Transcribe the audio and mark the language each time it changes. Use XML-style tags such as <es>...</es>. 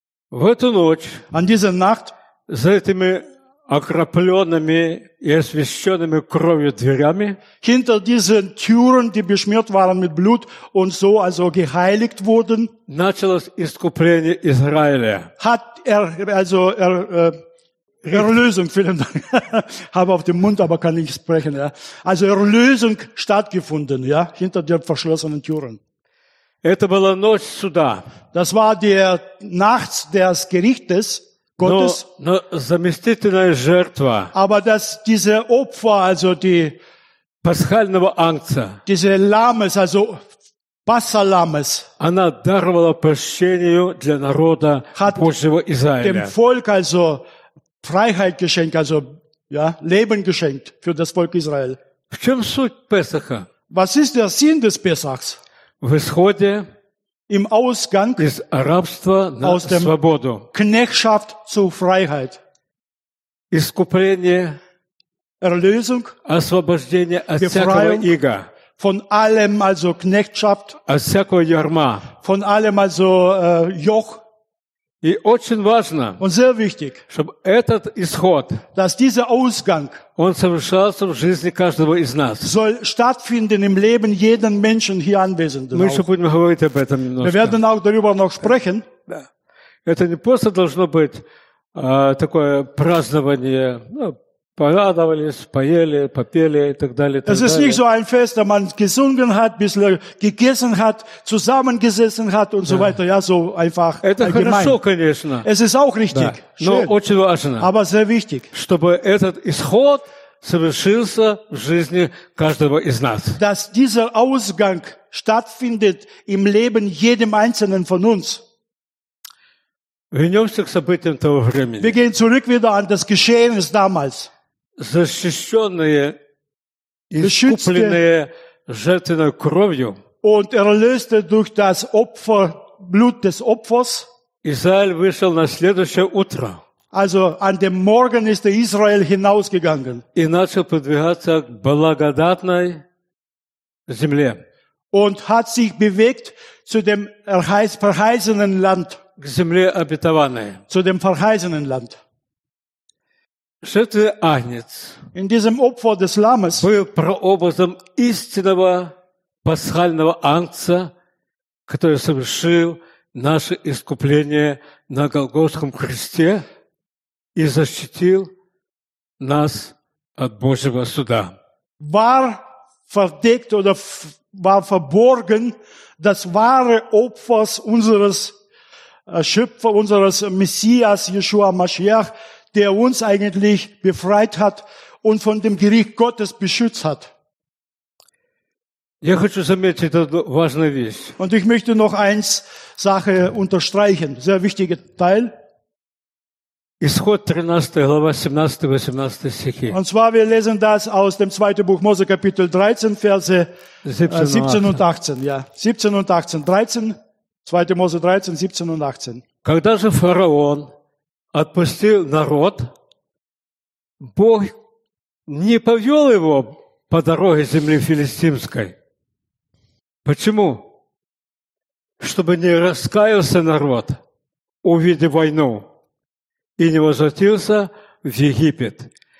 <ru>В эту ночь,</ru> <de>an dieser Nacht,</de> <ru>за этими окропленными и освященными кровью дверями,</ru> <de>hinter diesen Türen, die beschmiert waren mit Blut und so also geheiligt wurden,</de> <ru>началось искупление Израиля.</ru> <de>Hat er, also er, Erlösung, vielen Dank. Habe auf dem Mund, aber kann nicht sprechen. Ja. Also Erlösung stattgefunden, ja, hinter den verschlossenen Türen.</de> <ru>Это была ночь суда.</ru> <de>Das war die Nacht des Gerichtes Gottes.</de> <ru>Но заместительная жертва.</ru> <de>Aber dass diese Opfer, also die</de> <ru>пасхального Агнца,</ru> <de>diese Lammes, also Пасхаламес,</de> <ru>она даровала прощение для народа Божьего Израиля.</ru> <de>Dem Volk also Freiheit geschenkt, also ja, Leben geschenkt für das Volk Israel.</de> <ru>В чем суть Песаха?</ru> <de>Was ist der Sinn des Pesachs?</de> <ru>В исходе,</ru> <de>im Ausgang</de> <ru>из рабства на</ru> <de>aus dem</de> <ru>свободу.</ru> <de>Knechtschaft zur Freiheit.</de> <ru>Искупление,</ru> <de>Erlösung,</de> <ru>освобождение от всякого ига.</ru> <de>Von allem, also Knechtschaft,</de> <ru>от всякого ярма.</ru> <de>Von allem, also Joch.</de> <ru>И очень важно,</ru> <de>und sehr wichtig,</de> <ru>чтобы этот исход,</ru> <de>dass dieser Ausgang,</de> <ru>он совершался в жизни каждого из нас.</ru> <de>Soll stattfinden im Leben jeden Menschen hier anwesenden.</de> <ru>Мы еще будем говорить об этом немножко.</ru> <de>Wir werden auch darüber noch sprechen.</de> <ru>Да. Это не просто должно быть такое празднование, ну, порадовались, поели, попели и так далее.</ru> <de>Es ist nicht so ein Fest, dass man gesungen hat, ein bisschen gegessen hat, zusammengesessen hat und so weiter. Ja, so einfach.</de> <ru>Это хорошо, конечно.</ru> <de>Es ist auch richtig.</de> <ru>Но очень важно.</ru> <de>Aber sehr wichtig.</de> <ru>Чтобы этот исход совершился в жизни каждого из нас.</ru> <de>Dass dieser Ausgang stattfindet im Leben jedem einzelnen von uns.</de> <ru>Вернемся к событиям того времени.</ru> <de>Wir gehen zurück wieder an das Geschehen des damals.</de> <ru>Защищенные, искупленные жертвенной кровью.</ru> <de>Und erlöste durch das Opfer, Blut des Opfers.</de> <ru>Израиль вышел на следующее утро.</ru> <de>Also an dem Morgen ist der Israel hinausgegangen.</de> <ru>И начал продвигаться к благодатной земле.</ru> <de>Und hat sich bewegt zu dem verheißenen Land.</de> <ru>К земле обетованной.</ru> <de>Zu dem verheißenen Land.</de> <ru>Жертвенный Агнец.</ru> <de>In diesem Opfer des Lammes.</de> <ru>Был прообразом истинного пасхального Агнца, который совершил наше искупление на Голгофском кресте и защитил нас от Божьего суда.</ru> <de>War verdeckt oder war verborgen das wahre Opfer unseres Schöpfer, unseres Messias, Yeshua Mashiach, der uns eigentlich befreit hat und von dem Gericht Gottes beschützt hat.</de> <ru>Я хочу заметить эту важную вещь.</ru> <de>Und ich möchte noch eins Sache unterstreichen, sehr wichtiger Teil.</de> <ru>Исход 13, глава 17-18 стихи.</ru> <de>Und zwar, wir lesen das aus dem 2. Buch Mose, Kapitel 13, Verse 17 und 18. Ja, 17 und 18, 13. 2. Mose 13, 17 und 18.</de> <ru>Когда же фараон отпустил народ, Бог не повел его по дороге земли филистимской. Почему? Чтобы не раскаялся народ, увидев войну, и не возвратился в Египет.</ru>